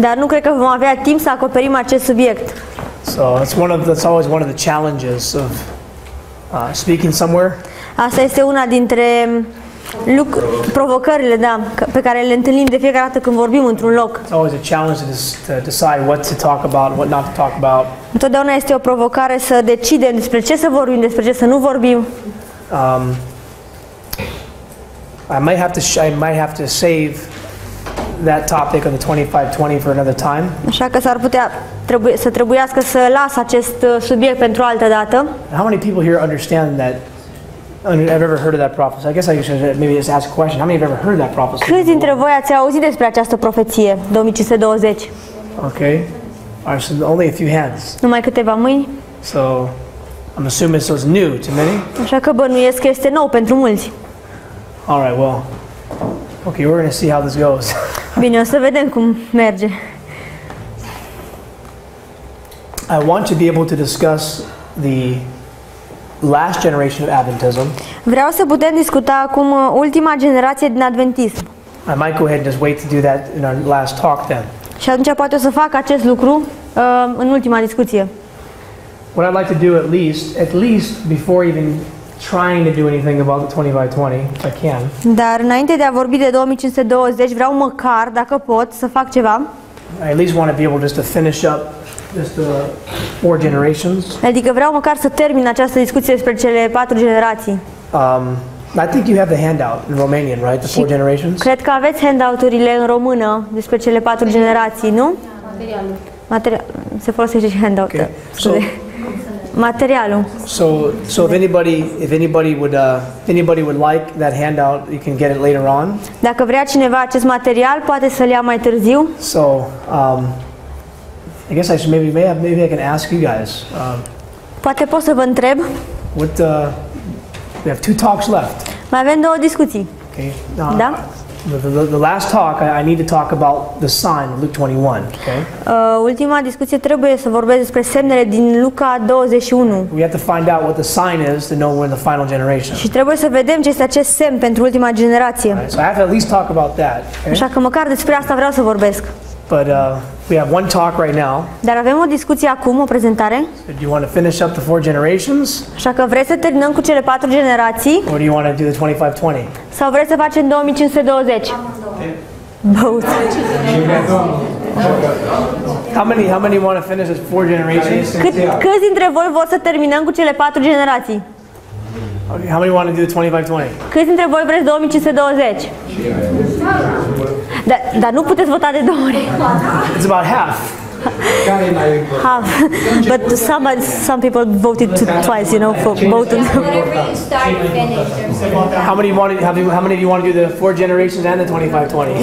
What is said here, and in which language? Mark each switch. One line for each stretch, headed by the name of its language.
Romanian: Dar nu cred că vom avea timp să acoperim acest subiect.
English: So, that's always one of the challenges of speaking somewhere.
Romanian: Asta este una dintre provocările, da, pe care le întâlnim de fiecare dată când vorbim într-un loc.
English: It's always a challenge to decide what to talk about, what not to talk about.
Romanian: Întotdeauna este o provocare să decidem despre ce să vorbim, despre ce să nu vorbim.
English: I might have to save that topic of the 25-20 for another time.
Romanian: Așa că s-ar putea trebuiască să las acest subiect pentru altă dată.
English: How many people here understand that? I've ever heard of that prophecy. I guess I should maybe just ask a question. How many have ever heard of that prophecy?
Romanian: Câți dintre voi ați auzit despre această profeție, 2520?
English: Okay. All right, so only a few hands.
Romanian: Numai câteva mâini.
English: So I'm assuming so it's new to many.
Romanian: Așa că bănuiesc că este nou pentru mulți.
English: All right, well. Okay, we're going to see how this goes.
Romanian: Bine, o să vedem cum merge.
English: I want to be able to discuss the last generation of Adventism.
Romanian: Vreau să putem discuta acum ultima generație din adventism.
English: I might go ahead and just wait to do that in our last talk then.
Romanian: Și atunci poate o să fac acest lucru în ultima discuție.
English: What I'd like to do at least before even trying to do anything about the 2520, if I can.
Romanian: Dar înainte de a vorbi de 2520, vreau măcar, dacă pot, să fac ceva.
English: I at least want to be able just to finish up just the four generations.
Romanian: Adică vreau măcar să termin această discuție despre cele patru generații.
English: I think you have the handout in Romanian, right? The four generations.
Romanian: Cred că aveți handout-urile în română despre cele patru generații, nu? Materialul. Se folosește și handout. Okay. Materialul.
English: So if anybody would like that handout, you can get it later on.
Romanian: Dacă vrea cineva acest material, poate să-l ia mai târziu.
English: So I guess I should maybe I can ask you guys.
Romanian: Poate pot să vă întreb.
English: We have two talks left.
Romanian: Mai avem două discuții. Okay. Da.
English: The last talk I need to talk about the sign Luke 21, okay?
Romanian: Ultima discuție trebuie să vorbesc despre semnele din Luca 21.
English: We have to find out what the sign is to know we're in the final generation.
Romanian: Și trebuie să vedem ce este acest semn pentru ultima generație.
English: So I have to at least talk about that. Okay?
Romanian: Așa că măcar despre asta vreau să vorbesc.
English: But we have one talk right now.
Romanian: Dar avem o discuție acum, o prezentare.
English: So do you want to finish up the four generations?
Romanian: Așa că vrei să terminăm cu cele patru generații?
English: Or do you want to do the 2520?
Romanian: Sau vrei să facem 2520?
English: Both. How many want to finish the four generations?
Romanian: Câți dintre voi vor să terminăm cu cele patru generații?
English: Okay, how many want to do the 2520?
Romanian: Câți dintre voi vreți 2520? Dar nu puteți vota de două ori.
English: It's about half. Half. But some people voted twice, you know, for both of them. How many of you want to do the four generations and the 2520?